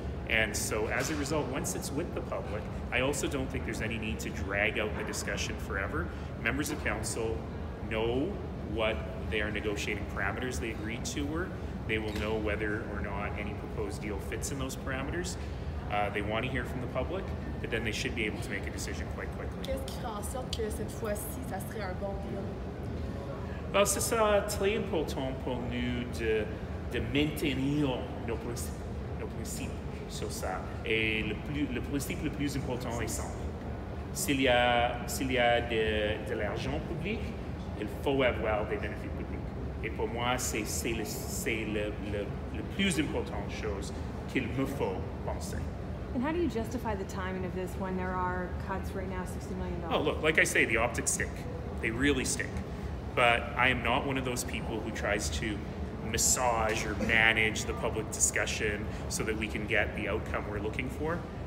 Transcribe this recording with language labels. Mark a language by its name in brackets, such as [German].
[English] And so as a result, once it's with the public, I also don't think there's any need to drag out the discussion forever. Members of council know what their negotiating parameters they agreed to were. They will know whether or not any proposed deal fits in those parameters. They want to hear from the public, but then they should be able to make a decision quite quickly. [French] Qu'est-ce qui fait en sorte que cette fois-ci, ça serait un bon deal? Well, c'est ça très important pour nous de maintenir nos principes sur ça. Et le principe le plus important est simple. S'il y a de l'argent public, il faut avoir des bénéfices publics. Et pour moi, c'est le plus important chose qu'il me faut penser. [English] And how do you justify the timing of this when there are cuts right now, $60 million? Oh, look, like I say, the optics stick. They really stick. But I am not one of those people who tries to massage or manage the public discussion so that we can get the outcome we're looking for.